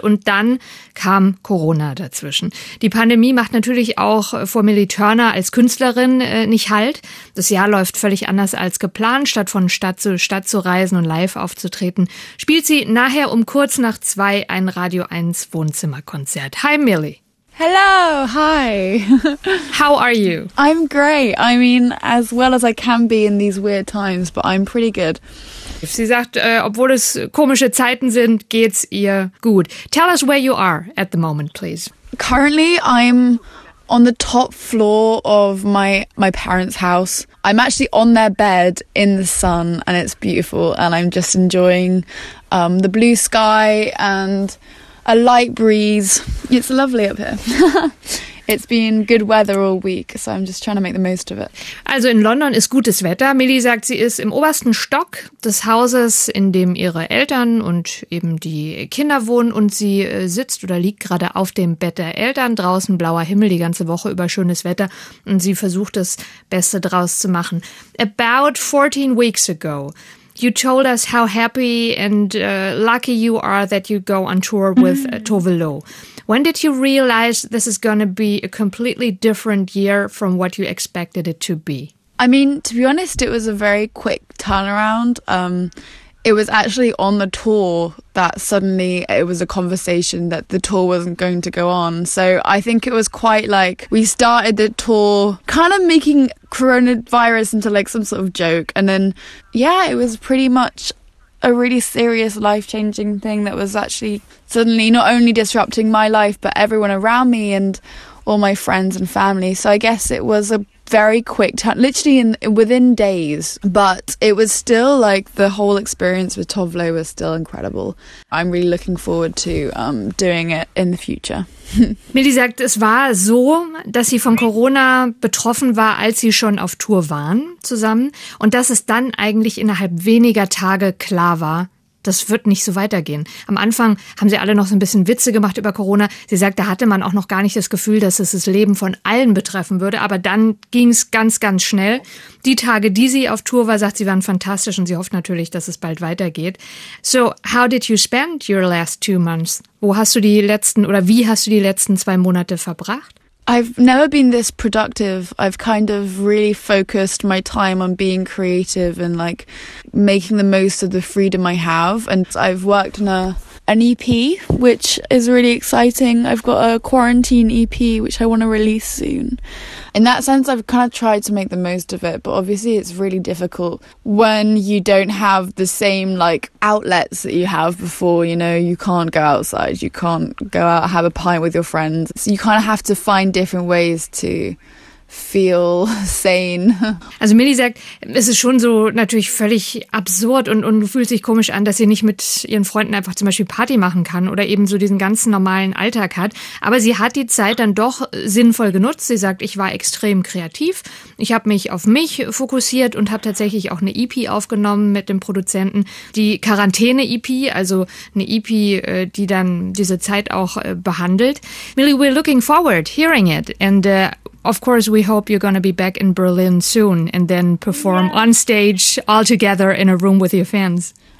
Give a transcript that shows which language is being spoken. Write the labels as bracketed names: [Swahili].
[German] Und dann kam Corona dazwischen. Die Pandemie macht natürlich auch vor Milly Turner als Künstlerin nicht Halt. Das Jahr läuft völlig anders als geplant. Statt von Stadt zu reisen und live aufzutreten, spielt sie nachher um kurz nach zwei ein Radio 1 Wohnzimmerkonzert. [English] Hi, Milly. Hello, hi. How are you? I'm great. I mean, as well as I can be in these weird times, but I'm pretty good. [German] Sie sagt, obwohl es komische Zeiten sind, geht's ihr gut. [English] Tell us where you are at the moment, please. Currently, I'm on the top floor of my parents' house. I'm actually on their bed in the sun and it's beautiful and I'm just enjoying the blue sky and a light breeze. It's lovely up here. It's been good weather all week, so I'm just trying to make the most of it. [German] Also in London ist gutes Wetter. Milly sagt, sie ist im obersten Stock des Hauses, in dem ihre Eltern und eben die Kinder wohnen. Und sie sitzt oder liegt gerade auf dem Bett der Eltern. Draußen blauer Himmel die ganze Woche über schönes Wetter. Und sie versucht, das Beste draus zu machen. [English] About 14 weeks ago, you told us how happy and lucky you are that you go on tour with Tove Lo. When did you realize this is going to be a completely different year from what you expected it to be? I mean, to be honest, it was a very quick turnaround. It was actually on the tour that suddenly it was a conversation that the tour wasn't going to go on. So I think it was quite like we started the tour kind of making coronavirus into like some sort of joke. And then, yeah, it was pretty much a really serious life-changing thing that was actually suddenly not only disrupting my life but everyone around me and all my friends and family. So I guess it was a very quick turn, literally within days, but it was still like the whole experience with Tove Lo was still incredible. I'm really looking forward to doing it in the future. [German] Milly sagt, es war so, dass sie von Corona betroffen war, als sie schon auf Tour waren zusammen und dass es dann eigentlich innerhalb weniger Tage klar war, das wird nicht so weitergehen. Am Anfang haben sie alle noch so ein bisschen Witze gemacht über Corona. Sie sagt, da hatte man auch noch gar nicht das Gefühl, dass es das Leben von allen betreffen würde. Aber dann ging es ganz, ganz schnell. Die Tage, die sie auf Tour war, sagt sie, waren fantastisch und sie hofft natürlich, dass es bald weitergeht. [English] So, how did you spend your last 2 months? [German] Wo hast du die letzten oder wie hast du die letzten 2 Monate verbracht? [English] I've never been this productive. I've kind of really focused my time on being creative and like making the most of the freedom I have. And I've worked on an EP, which is really exciting. I've got a quarantine EP, which I want to release soon. In that sense, I've kind of tried to make the most of it, but obviously it's really difficult when you don't have the same like outlets that you have before. You know, you can't go outside, you can't go out, have a pint with your friends. So you kind of have to find different ways to feel sane. [German] Also Milly sagt, es ist schon so natürlich völlig absurd und fühlt sich komisch an, dass sie nicht mit ihren Freunden einfach zum Beispiel Party machen kann oder eben so diesen ganzen normalen Alltag hat. Aber sie hat die Zeit dann doch sinnvoll genutzt. Sie sagt, ich war extrem kreativ. Ich habe mich auf mich fokussiert und habe tatsächlich auch eine EP aufgenommen mit dem Produzenten. Die Quarantäne-EP, also eine EP, die dann diese Zeit auch behandelt. [English] Milly, we're looking forward hearing it and of course, we hope you're going to be back in Berlin soon and then perform on stage all together in a room with your fans.